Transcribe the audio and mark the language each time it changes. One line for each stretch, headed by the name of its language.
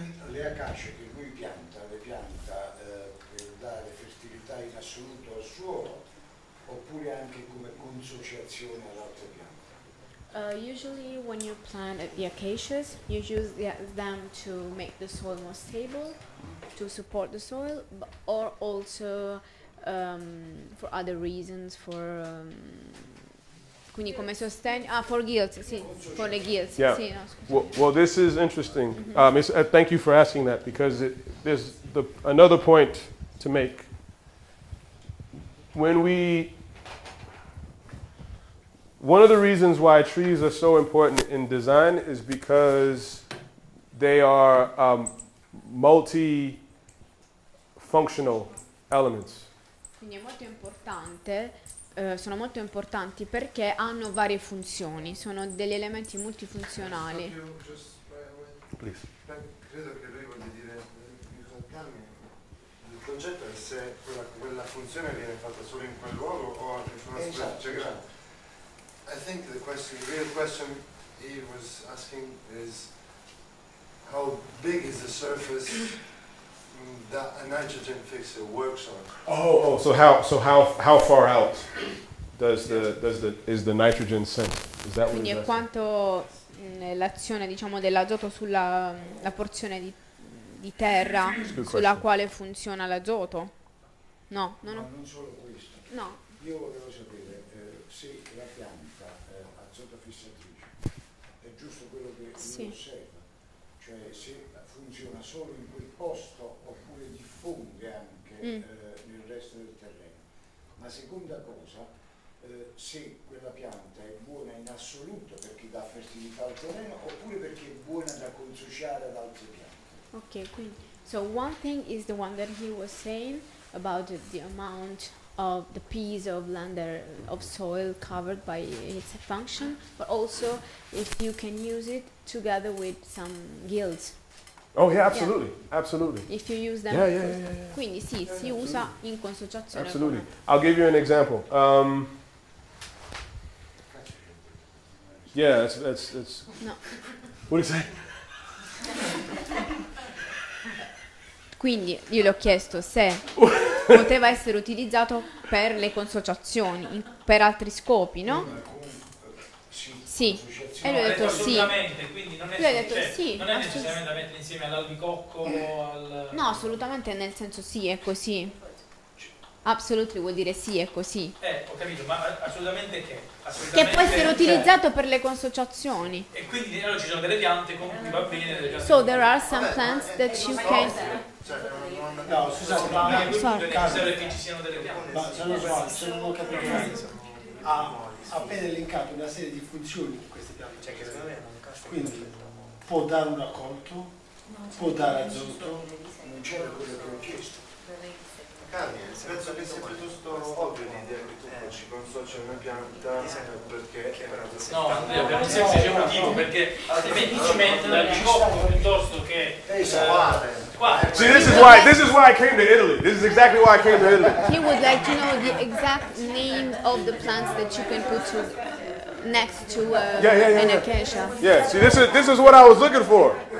Italian: Le acacie che lui pianta, le pianta per dare fertilità in assoluto al suolo, oppure anche come consociazione ad altre piante?
English: Usually when you plant the acacias, you use them to make the soil more stable, to support the soil, or also for other reasons, for
Italian: quindi come sostegno,
English: for guilds, sì, for le guilds. Yeah.
Italian: Sì, no,
English: well, this is interesting. Thank you for asking that, because there's another point to make. One of the reasons why trees are so important in design is because they are multifunctional elements.
Italian: Quindi è molto importante, sono molto importanti perché hanno varie funzioni, sono degli elementi multifunzionali. Credo che lui voglia dire, il concetto è se quella funzione viene fatta solo in quel luogo o anche su una specie grande.
English: I think the real question he was asking is how big is the surface that a nitrogen fixer works on. So how far out is the nitrogen sent? Is that
Italian: quindi
English: what
Italian: è quanto l'azione, diciamo, dell'azoto sulla la porzione di terra sulla quale funziona l'azoto? No, non solo questo. No. Io volevo sapere se la pianta azoto fissatrice è giusto quello che sì. Lui osserva, cioè se funziona solo in quel posto oppure diffonde anche nel resto del terreno. Ma seconda cosa, se quella pianta è buona in assoluto perché dà fertilità al terreno oppure perché è buona da consociare ad altre piante.
English: Ok, quindi, so one thing is the one that he was saying about the amount of the piece of land or of soil covered by its function, but also if you can use it together with some guilds. Oh yeah, absolutely, yeah. Absolutely. If you use them, yeah.
Italian: Quindi sì,
English: yeah,
Italian: si usa in consociazione.
English: Absolutely. I'll give you an example. Yeah, that's. No. What did you say?
Italian: Quindi io le ho chiesto se poteva essere utilizzato per le consociazioni, per altri scopi, no? Sì. E lui ha detto sì. Assolutamente, quindi non è necessariamente da mettere insieme all'albicocco o al... No, assolutamente, nel senso sì, è così. Absolutely vuol dire sì, è così. Ho capito, ma assolutamente che? Che può essere utilizzato per le consociazioni. E quindi allora ci sono delle piante con cui va bene delle piante.
English: So there are some plants that you can...
Italian: Ha appena elencato una serie di funzioni di queste piante, cioè che secondo me non casca. Quindi può dare un raccolto, può dare azoto, non c'era quello che ho chiesto. Carmine, penso che sia piuttosto ovvio l'idea che tu ci consorci una pianta perché è una cosa. No, per un semplice motivo, perché semplicemente dal ricopo piuttosto che.
English: See, this is why I came to Italy. This is exactly why I came to Italy. He would like to know the exact name of the plants that you can put to, next to an acacia. Yeah, see, this is what I was looking for.